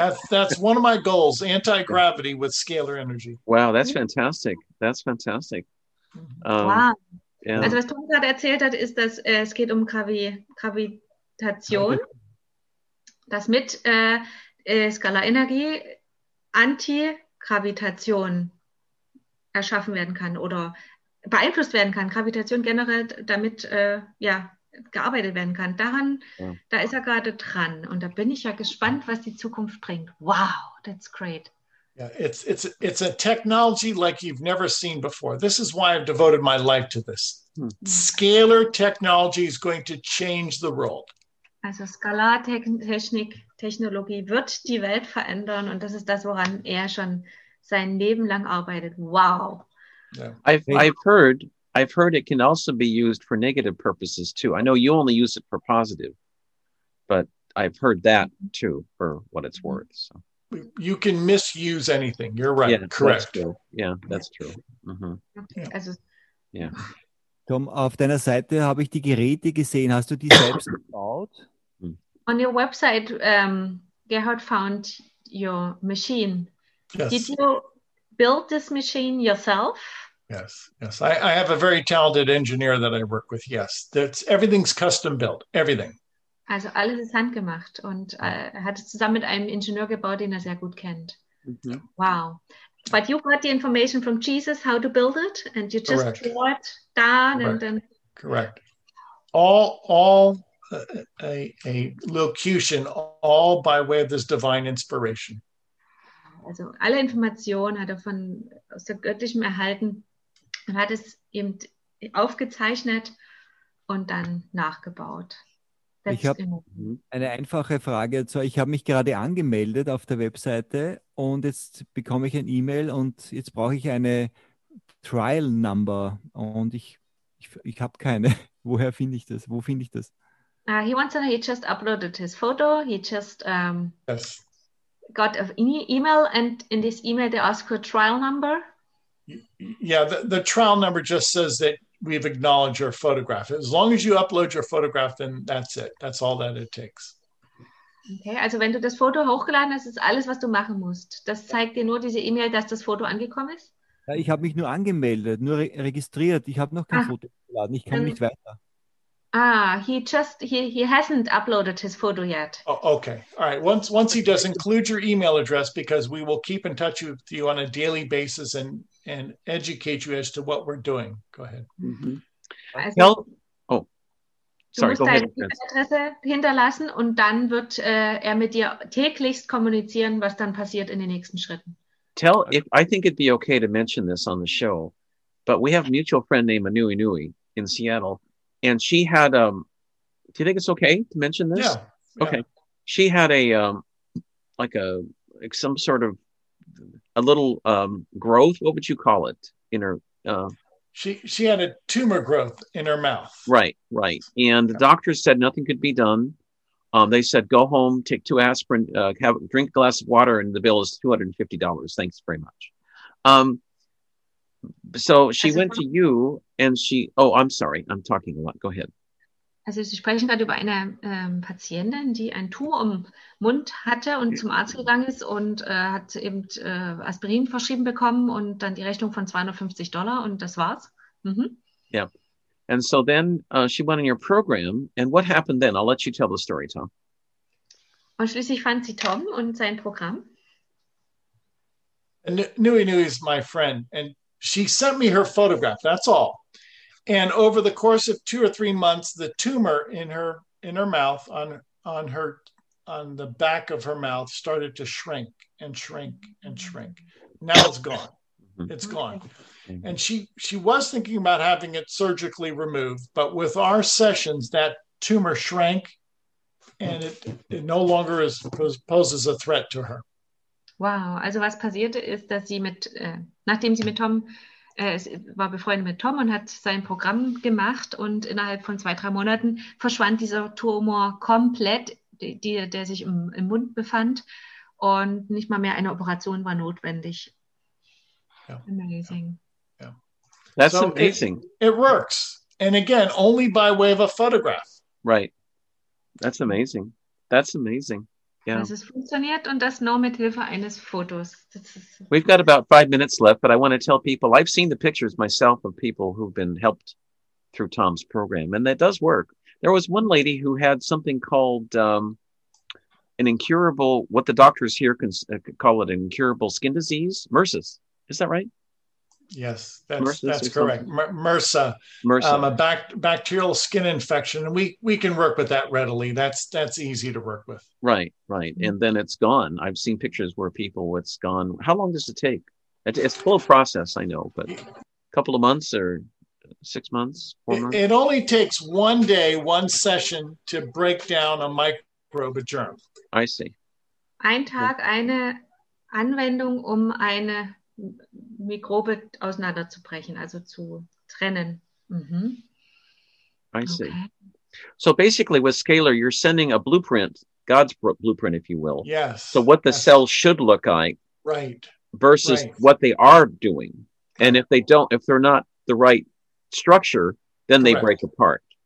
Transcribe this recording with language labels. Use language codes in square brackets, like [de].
[en] that's one of my goals, anti-gravity with scalar energy. Wow, that's fantastic. That's fantastic. Yeah. [de] Also was Tom gerade erzählt hat, ist, dass es geht um Gravitation, dass mit Skalarenergie Antigravitation erschaffen werden kann oder beeinflusst werden kann, Gravitation generell damit gearbeitet werden kann. Da ist er gerade dran und da bin ich ja gespannt, was die Zukunft bringt. [en] Wow, that's great. Yeah, it's a technology like you've never seen before. This is why I've devoted my life to this. Scalar technology is going to change the world. [de] Also Skalartechnologie wird die Welt verändern und das ist das, woran er schon sein Leben lang arbeitet. [en] Wow. Yeah. I've heard it can also be used for negative purposes too. I know you only use it for positive, but I've heard that too for what it's worth. So. You can misuse anything. You're right. Yeah, correct. That's true. Mm-hmm. Also, [de] Tom, auf deiner Seite habe ich die Geräte gesehen. Hast du die selbst gebaut? [en] On your website, Gerhard found your machine. Yes. Did you build this machine yourself? Yes. Yes. I have a very talented engineer that I work with. Yes. That's everything's custom built. Everything. [de] Also alles ist handgemacht und hat es zusammen mit einem Ingenieur gebaut, den er sehr gut kennt. Mm-hmm. [en] Wow. But you got the information from Jesus how to build it and you just correct. Draw it down correct. And then correct. All a locution all by way of this divine inspiration. [de] Also alle Informationen hat er von aus der göttlichen erhalten und hat es eben aufgezeichnet und dann nachgebaut. Ich habe eine einfache Frage. Ich habe mich gerade angemeldet auf der Webseite und jetzt bekomme ich ein E-Mail und jetzt brauche ich eine Trial Number und ich habe keine. Woher finde ich das? Wo finde ich das? [en] He wants to know, he just uploaded his photo. He just got an E-Mail and in this email they ask for a trial number. Yeah, the trial number just says that we've acknowledged your photograph. As long as you upload your photograph, then that's it. That's all that it takes. [de] Okay, also wenn du das Foto hochgeladen hast, ist alles, was du machen musst. Das zeigt dir nur diese E-Mail, dass das Foto angekommen ist? Ja, ich habe mich nur angemeldet, nur registriert. Ich habe noch kein Foto geladen. Ich kann nicht weiter. [en] He hasn't uploaded his photo yet. Oh, okay, all right. Once he does, include your email address because we will keep in touch with you on a daily basis and educate you as to what we're doing. Go ahead. Mm-hmm. Well, sorry. [de] Du musst deine E-Mail-Adresse hinterlassen und dann wird er mit dir täglichst kommunizieren, was dann passiert in den nächsten Schritten. [en] Tell if I think it'd be okay to mention this on the show, but we have a mutual friend named Anui Nui in Seattle. And she had, do you think it's okay to mention this? Yeah. Okay. She had a, some sort of a little growth. What would you call it in her? She had a tumor growth in her mouth. Right. And the doctors said nothing could be done. They said, go home, take two aspirin, drink a glass of water, and the bill is $250. Thanks very much. So she went to you and she, I'm sorry, I'm talking a lot. Go ahead. [de] Also Sie sprechen gerade über eine Patientin, die einen Tumor im Mund hatte und zum Arzt gegangen ist und hat eben Aspirin verschrieben bekommen und dann die Rechnung von $250 und das war's. [en] Mm-hmm. Yeah. And so then she went in your program and what happened then? I'll let you tell the story, Tom. [de] Und schließlich fand sie Tom und sein Programm. [en] Nui Nui is my friend and she sent me her photograph, that's all. And over the course of 2 or 3 months, the tumor in her mouth, on the back of her mouth, started to shrink and shrink and shrink. Now it's gone. It's gone. And she was thinking about having it surgically removed, but with our sessions, that tumor shrank and it no longer poses a threat to her. Wow. [de] Also was passierte ist, dass sie war befreundet mit Tom und hat sein Programm gemacht und innerhalb von 2-3 Monaten verschwand dieser Tumor komplett, der sich im Mund befand und nicht mal mehr eine Operation war notwendig. [en] Yeah. Amazing. Yeah. That's so amazing. It works. And again, only by way of a photograph. Right. That's amazing. That's amazing. Yeah. [de] Es funktioniert und das nur mit Hilfe eines Fotos. [en] We've got about 5 minutes left, but I want to tell people, I've seen the pictures myself of people who've been helped through Tom's program, and that does work. There was one lady who had something called an incurable, what the doctors here can call it, an incurable skin disease, MRSA. Is that right? Yes, that's correct. MRSA. A bacterial skin infection. And we can work with that readily. That's easy to work with. Right. And then it's gone. I've seen pictures where it's gone. How long does it take? It's a slow process, I know, but a couple of months or 6 months? It only takes one day, one session to break down a microbe, a germ. I see. [de] Ein Tag, eine Anwendung, eine Mikrobe auseinanderzubrechen, also zu trennen. [en] Mm-hmm. I see. Okay. So basically with Scalar, you're sending a blueprint, God's blueprint, if you will. Yes. So what the cell should look like. Right. Versus what they are doing. And if they're not the right structure, then they break apart.